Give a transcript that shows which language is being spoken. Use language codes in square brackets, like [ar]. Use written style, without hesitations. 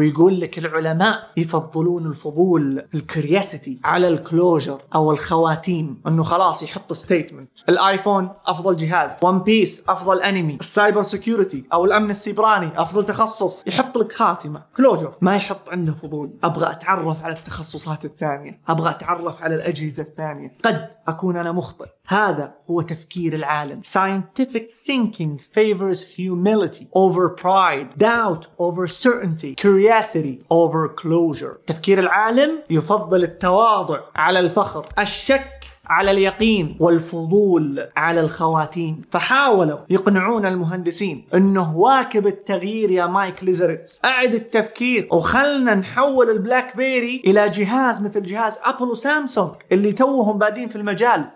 [ar] ويقول لك العلماء يفضلون الفضول الكرياسيتي على الكلوجر أو الخواتيم، أنه خلاص يحط ستيتمنت، الآيفون أفضل جهاز، ون بيس أفضل أنمي، السايبر سيكوريتي أو الأمن السيبراني أفضل تخصص، يحط لك خاتمة كلوجر، ما يحط عنده فضول أبغى أتعرف على التخصصات الثانية، أبغى أتعرف على الأجهزة الثانية، قد أكون أنا مخطئ، هذا هو تفكير العالم. [en] Scientific thinking favors humility over pride, doubt over certainty, curiosity over closure. [ar] تفكير العالم يفضل التواضع على الفخر، الشك على اليقين، والفضول على الخواتيم. فحاولوا يقنعون المهندسين انه واكب التغيير يا مايك ليزرتس، اعد التفكير وخلنا نحول البلاك بيري الى جهاز مثل جهاز ابل وسامسونج اللي توهم بادين في المجال.